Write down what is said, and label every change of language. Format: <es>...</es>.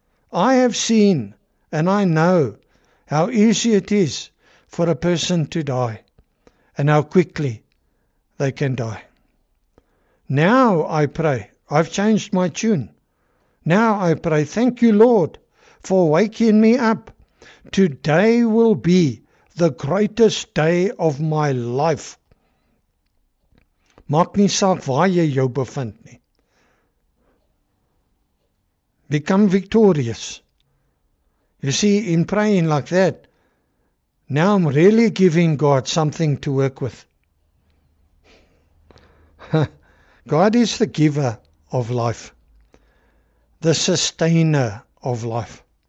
<en>I have seen and I know how easy it is for a person to die and how quickly they can die. Now I pray, I've changed my tune. Now I pray, thank you, Lord, for waking me up. Today will be the greatest day of my life.</en> <af>Maak nie saak waar jy jou bevind nie.</af> <en>Become victorious. You see, in praying like that, now I'm really giving God something to work with. God is the giver of life, the sustainer of life.</en>